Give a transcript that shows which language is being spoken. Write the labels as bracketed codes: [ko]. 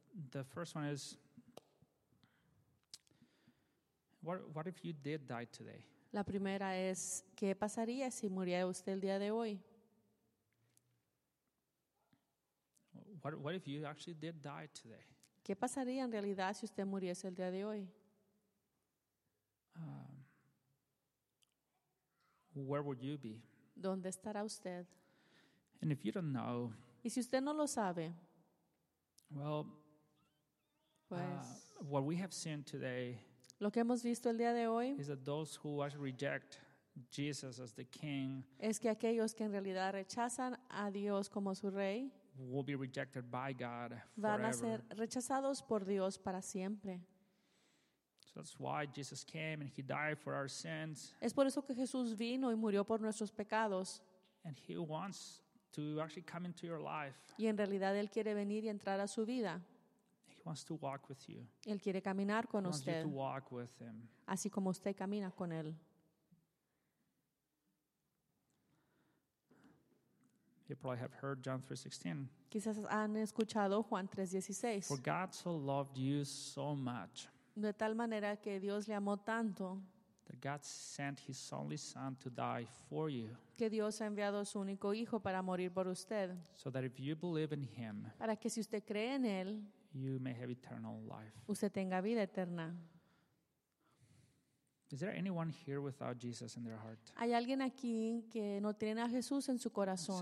[en] The first one is, what if you did die today? [es] La primera es, ¿qué pasaría si muriera usted el día de hoy? [en] What if you actually did die today? [es] ¿Qué pasaría en realidad si usted muriese el día de hoy? [en] Where would you be? [es] ¿Dónde estará usted? [en] And if you don't know, [es] ¿y si usted no lo sabe? [en] Well, [es] pues, [en] what we have seen today, [es] lo que hemos visto el día de hoy, [en] is that those who actually reject Jesus as the king, [es] es que aquellos que en realidad rechazan a Dios como su rey, [en] will be rejected by God forever. [es] Van a ser rechazados por Dios para siempre. [en] So that's why Jesus came and he died for our sins. [es] Es por eso que Jesús vino y murió por nuestros pecados. [en] And he wants to actually come into your life. [es] Y en realidad él quiere venir y entrar a su vida. [en] He wants to walk with you. [es] Él quiere caminar con usted. [en] He wants you to walk with him. [es] Así como usted camina con él. [en] You probably have heard John 3:16. [es] Quizás han escuchado Juan 3:16. [en] For God so loved you so much. [es] De tal manera que Dios le amó tanto. [en] That God sent his only son to die for you. [es] Que Dios ha enviado a su único hijo para morir por usted. [en] So that if you believe in him. [es] Para que si usted cree en él. [en] You may have eternal life. [es] Usted tenga vida eterna. [en] Is there anyone here without Jesus in their heart? [es] Hay alguien aquí que no tiene a Jesús en su corazón.